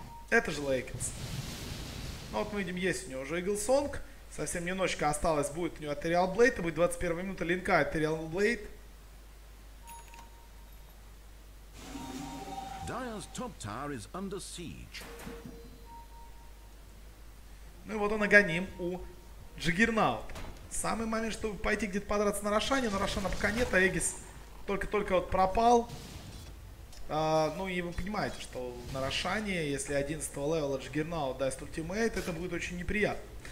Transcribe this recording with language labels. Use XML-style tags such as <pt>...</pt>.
<ru>Это же Лейкерс. Ну, вот мы видим, есть у него уже Иглсонг. Совсем немножечко осталось, будет у него Этериал Блейд. Это будет 21 минута линка Этериал Блейд.</ru> <en>Dire's top tower is under siege.</en> <ru>Ну и вот он огоним у Джиггернаута. Самый момент, чтобы пойти где-то подраться на Рошане, но Рошана пока нет, а Эгис только-только вот пропал. Ну и вы понимаете, что на Рошане, если 11 левела Джиггернаут даст ультимейт, это будет очень неприятно.</ru>